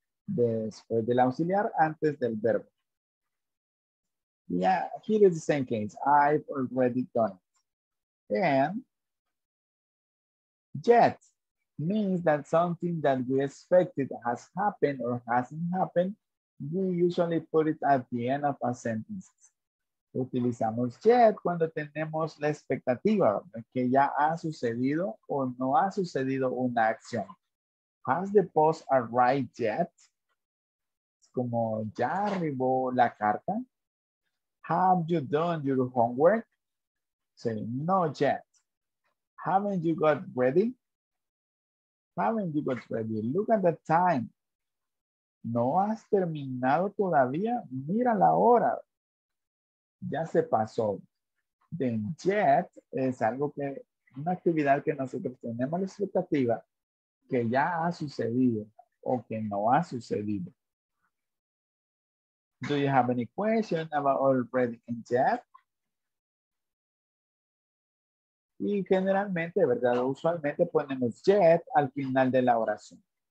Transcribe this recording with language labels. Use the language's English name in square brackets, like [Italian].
[Spanish] Después del auxiliar, antes del verbo. [English] Yeah, here is the same case. I've already done it. And yet. Means that something that we expected has happened or hasn't happened, we usually put it at the end of a sentence. [Spanish] Utilizamos yet cuando tenemos la expectativa que ya ha sucedido o no ha sucedido una acción. [English] Has the post arrived yet? [Spanish] Como ya arribó la carta. [English] Have you done your homework? Say no yet. Haven't you got ready? Haven't you got ready? Look at the time. [Spanish] ¿No has terminado todavía? Mira la hora. Ya se pasó. Then yet es algo que, una actividad que nosotros tenemos la expectativa que ya ha sucedido o que no ha sucedido. [English] Do you have any question about already in chat? [Spanish] Y generalmente, ¿verdad? Usualmente ponemos yet al final de la oración.